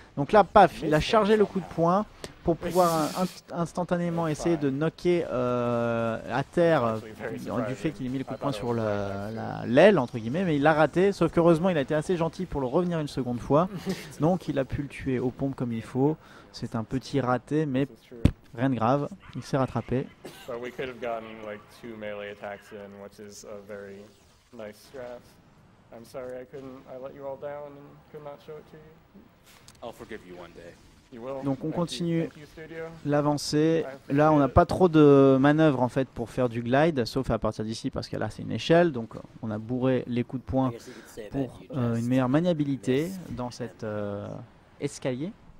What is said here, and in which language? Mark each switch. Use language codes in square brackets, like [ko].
[fr] Donc là, paf, il a chargé le coup de poing pour pouvoir instantanément essayer de knocker à terre du fait qu'il ait mis le coup de poing sur l'aile, entre guillemets, mais il l'a raté, sauf qu'heureusement, il a été assez gentil pour le revenir une seconde fois. Donc, il a pu le tuer aux pompes comme il faut. C'est un petit raté, mais Rien de grave, il s'est rattrapé. [en] But we could have gotten like two melee attacks in, which is a very nice strat. I'm sorry I couldn't, I let you all down and could not show it to you. I'll forgive you one day. [fr] Donc on continue l'avancée. Là on n'a pas trop de manœuvre en fait pour faire du glide, sauf à partir d'ici parce que là c'est une échelle. Donc on a bourré les coups de poing pour une meilleure maniabilité dans cet escalier.